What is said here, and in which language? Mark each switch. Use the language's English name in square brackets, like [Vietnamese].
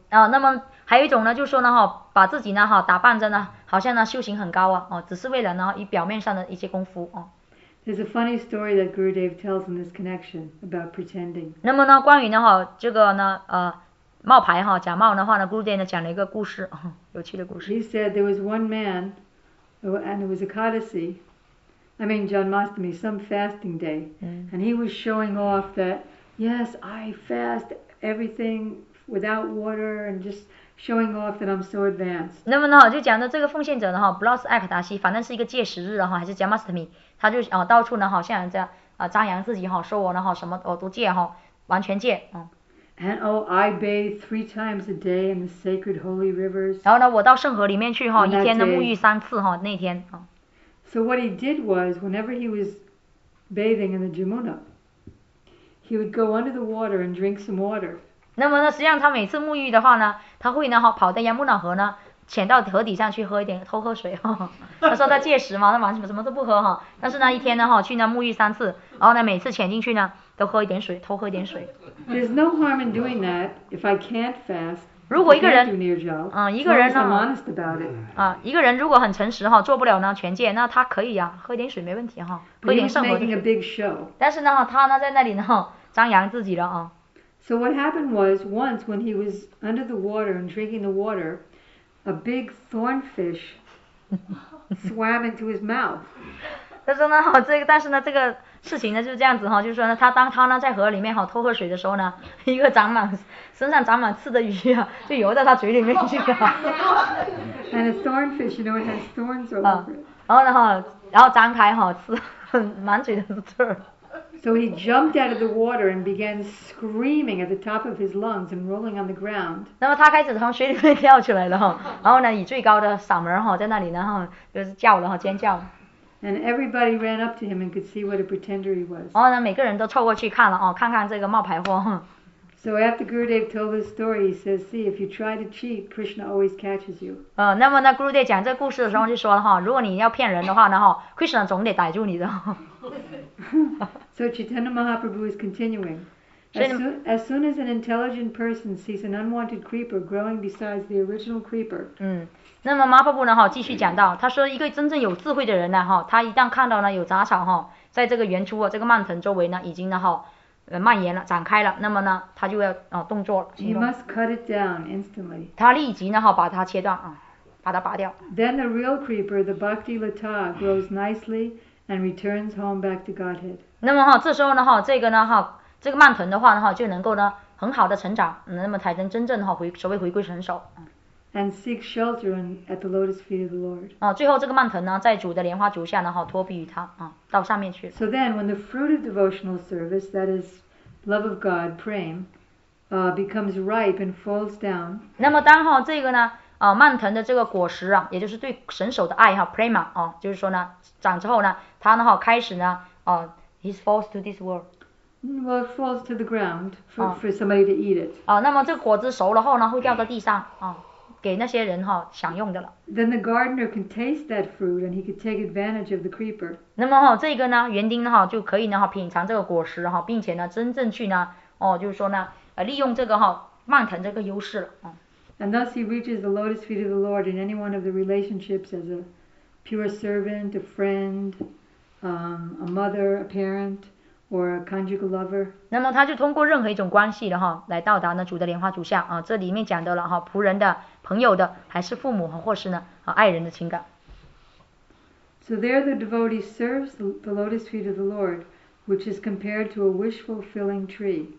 [Chinese] 那么还有一种就是说把自己打扮着好像修行很高，只是为了表面上的一些功夫。There's [English] a funny story that Gurudev tells in this connection about pretending. [Chinese] 那么关于冒牌假冒的话，Gurudev讲了一个故事，有趣的故事。 [English] He said there was one man, and it was a codicil, I mean Janmashtami, some fasting day. Mm. And he was showing off that, yes, I fast everything without water and just showing off that I'm so advanced. [Chinese] 那么呢，就讲到这个奉献者呢，哈 ，Blas Ekadasi， 反正是一个戒食日的哈，还是 Janmashtami， 他就啊到处呢哈，像人家啊张扬自己哈，说我呢哈什么我都戒哈，完全戒，嗯。 [English] And oh, I bathe 3 times a day in the sacred holy rivers. [Chinese] 然后呢，我到圣河里面去哈，一天呢沐浴三次哈，那天啊。 [English] So what he did was, whenever he was bathing in the Jamuna, he would go under the water and drink some water. [Chinese] 那么呢，实际上他每次沐浴的话呢，他会呢哈跑到 Yamuna 河呢，潜到河底上去喝一点，偷喝水哈。他说他戒食嘛，他完全什么都不喝哈。但是呢，一天呢哈去那沐浴三次，然后呢每次潜进去呢都喝一点水，偷喝一点水。 [English] There's no harm in doing that if I can't fast. [Chinese] 如果一个人，嗯，一个人呢，啊，一个人如果很诚实哈，做不了呢全戒，那他可以呀，喝点水没问题哈，喝点圣河。 [English] Making a big show. [Chinese] 但是呢，他呢在那里呢张扬自己了啊。 [English] So what happened was once when he was under the water and drinking the water, a big thornfish swam into his mouth. [Chinese] 但是呢，哈，这个但是呢，这个事情呢就是这样子哈，就是说呢，他当他呢在河里面哈偷喝水的时候呢，一个长满身上长满刺的鱼啊，就游到他嘴里面去了。 [English] And a thornfish, you know, it has thorns over it. [Chinese] 然后张开哈刺，满嘴都是刺。 [English] So he jumped out of the water and began screaming at the top of his lungs and rolling on the ground. [Chinese] 那么他开始从水里面跳起来了，然后呢以最高的嗓门哈在那里呢哈就是叫了哈尖叫。 [English] And everybody ran up to him and could see what a pretender he was. [Chinese] 然后呢每个人都凑过去看了哦，看看这个冒牌货。 [English] So after Gurudev told this story, he says, "See, if you try to cheat, Krishna always catches you." [Chinese] 那么呢 ，Gurudev 讲这个故事的时候就说了哈，如果你要骗人的话呢哈 ，Krishna 总得逮住你的。 [English] So Chaitanya Mahaprabhu is continuing. As soon as an intelligent person sees an unwanted creeper growing besides the original creeper. [Chinese] 那么 Mahaprabhu 呢哈继续讲到，他说一个真正有智慧的人呢哈，他一旦看到呢有杂草哈，在这个原初啊这个蔓藤周围呢已经呢哈。蔓延了，展开了，那么呢，他就要动作了。 [English] He must cut it down instantly. [Chinese] 他立即呢哈把它切断啊，把它拔掉。 [English] Then the real creeper, the bhakti lata, grows nicely and returns home back to Godhead. [Chinese] 那么哈，这时候呢哈，这个呢哈，这个蔓藤的话呢哈，就能够呢很好的成长，那么才能真正哈回所谓回归成熟。 [English] And seek shelter at the lotus feet of the Lord. [Chinese] 最后这个蔓藤呢，在主的莲花足下呢，哈，托庇于他，到上面去。 [English] So then, when the fruit of devotional service, that is, love of God, praying, becomes ripe and falls down. [Chinese] 那么当哈这个呢，蔓藤的这个果实啊，也就是对神手的爱哈 ，prema 啊，就是说呢，长之后呢，它呢哈开始呢， [English] he falls to this world. Well, it falls to the ground for somebody to eat it. [Chinese] 那么这个果子熟了后呢，会掉到地上啊。给那些人哈享用的了。 [English] Then the gardener can taste that fruit, and he could take advantage of the creeper. [Chinese] 那么哈，这个呢，园丁哈就可以呢哈品尝这个果实哈，并且呢真正去呢就是说呢利用这个哈蔓藤这个优势了。 [English] And thus he reaches the lotus feet of the Lord in any one of the relationships as a pure servant, a friend, a mother, a parent, or a conjugal lover. [Chinese] 那么他就通过任何一种关系的哈来到达呢主的莲花足下啊，这里面讲到了哈仆人的。朋友的，还是父母，或是呢，爱人的情感。 [English] So there, the devotee serves the lotus feet of the Lord, which is compared to a wish-fulfilling tree.